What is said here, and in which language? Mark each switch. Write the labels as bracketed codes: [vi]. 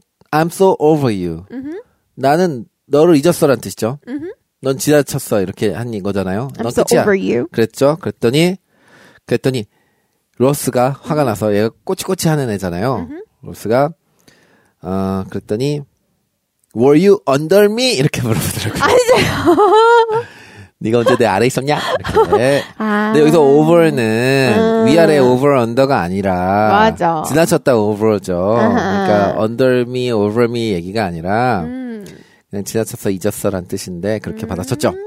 [en] I'm so over you. [ko] 나는 너를 잊었어라는 뜻이죠. 넌 지나쳤어 이렇게 한 거잖아요. [en] I'm so over you. [ko] 그랬죠. 그랬더니 그랬더니 로스가 화가 나서 얘가 꼬치꼬치 하는 애잖아요. 로스가 그랬더니 [en] Were you under me? [ko] 이렇게 물어보더라고요. 아니죠. 네가 언제 내 아래 있었냐? 이렇게. 아. 근데 여기서 over는 위아래 over, under가 아니라 맞아. 지나쳤다 over죠. 그러니까 under me, over me 얘기가 아니라 그냥 지나쳐서 잊었어란 뜻인데 그렇게 받아쳤죠.